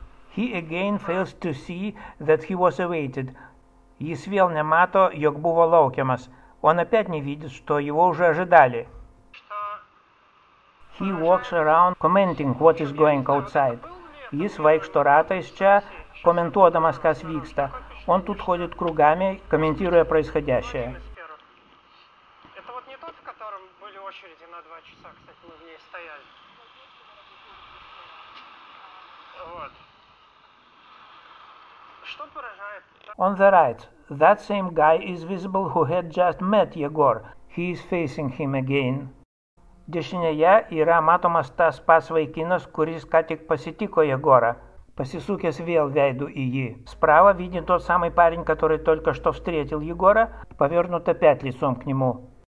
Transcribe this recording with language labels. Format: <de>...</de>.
<en>He again fails to see that he was awaited.</en> <lt>Jis vėl nemato, jog buvo laukiamas.</lt> <ru>Он опять не видит, что его уже ожидали.</ru> <en>He walks around commenting what is going outside.</en> <lt>Jis vaikšto ratais čia, komentuodamas, kas vyksta.</lt> <ru>Он тут ходит кругами, комментируя происходящее. Это вот не тот, в котором были очереди на 2 часа, кстати, мы в ней стояли. Вот. Что поражает?</ru> <en>On the right, that same guy is visible who had just met Егор. He is facing him again.</en> <lt>Dešinėje yra matomas tas pats vaikinas, kuris ką tik pasitiko Егора, pasisukęs vėl veidu į jį.</lt> <ru>Справа видит тот самый парень, который только что встретил Егора, повернут опять лицом к нему.</ru>